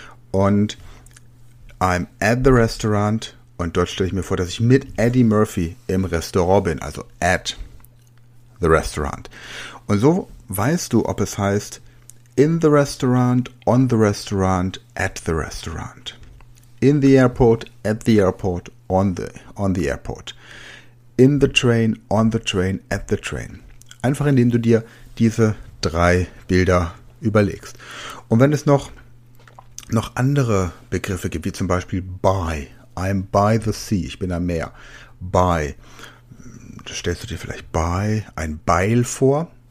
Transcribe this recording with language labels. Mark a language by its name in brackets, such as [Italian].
[German] Und [English] I'm at the restaurant [German] und dort stelle ich mir vor, dass ich mit Eddie Murphy im Restaurant bin, also [English] at the restaurant. [German] Und so weißt du, ob es heißt [English] in the restaurant, on the restaurant, [German] at the restaurant. [English] In the airport, at the airport, on the airport. In the train, on the train, at the train. [German] Einfach indem du dir diese drei Bilder überlegst. Und wenn es noch andere Begriffe gibt, wie zum Beispiel by, [English] I'm by the sea, [German] ich bin am Meer, by, stellst du dir vielleicht by ein Beil vor.